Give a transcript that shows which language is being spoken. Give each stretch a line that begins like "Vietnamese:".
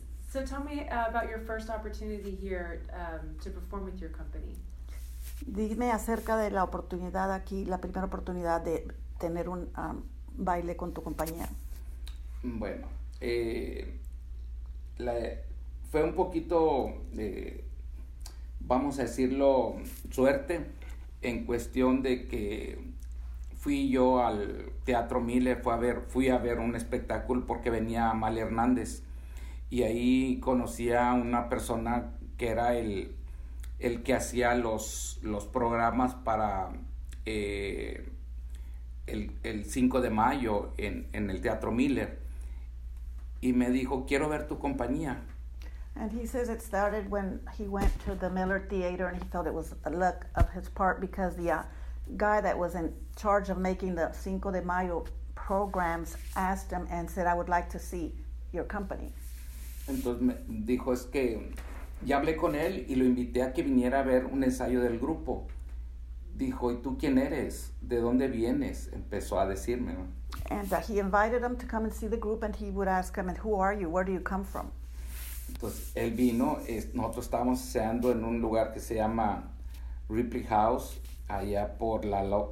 English: So tell me about your first opportunity here to perform with your company.
Spanish: Dime acerca de la oportunidad aquí, la primera oportunidad de tener un baile con tu compañero. Bueno, fue un poquito, vamos a decirlo, suerte, en cuestión de que fui yo al Teatro Miller, fui a ver un espectáculo porque venía Amalia Hernández, y ahí conocí a una persona que era el que hacía los programas para el 5 de mayo en el Teatro Miller, y me dijo, quiero ver tu compañía.
English: And he says it started when he went to the Miller Theater and he felt it was a luck of his part because the guy that was in charge of making the Cinco de Mayo programs asked him and said, I would like to see your company.
Spanish: Entonces me dijo, es que ya hablé con él y lo invité a que viniera a ver un ensayo del grupo. Dijo, ¿y tú quién eres? ¿De dónde vienes? Empezó a decirme.
English: And he invited him to come and see the group, and he would ask him, and who are you? Where do you come from?
Spanish: Entonces, él vino. Nosotros estábamos ensayando en un lugar que se llama Ripley House, allá por la...